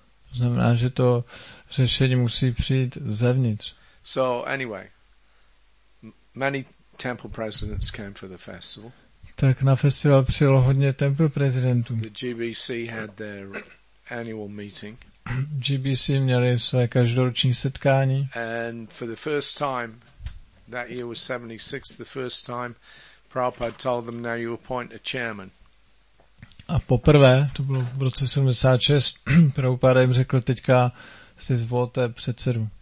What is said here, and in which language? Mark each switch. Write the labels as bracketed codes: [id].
[cs] To znamená, že to řešení musí přijít zevnitř. [en] So anyway, many temple presidents came for the festival. [cs] Tak na festival přijelo hodně temple prezidentů. [en] The GBC had their annual meeting. [cs] GBC měli své každoroční setkání. [en] And for the first time, that year was 76, the first time Prabhupada told them, now you appoint a chairman. [cs] A poprvé, to bylo v roce 76, Prabhupada jim řekl, teďka si zvolte předsedu.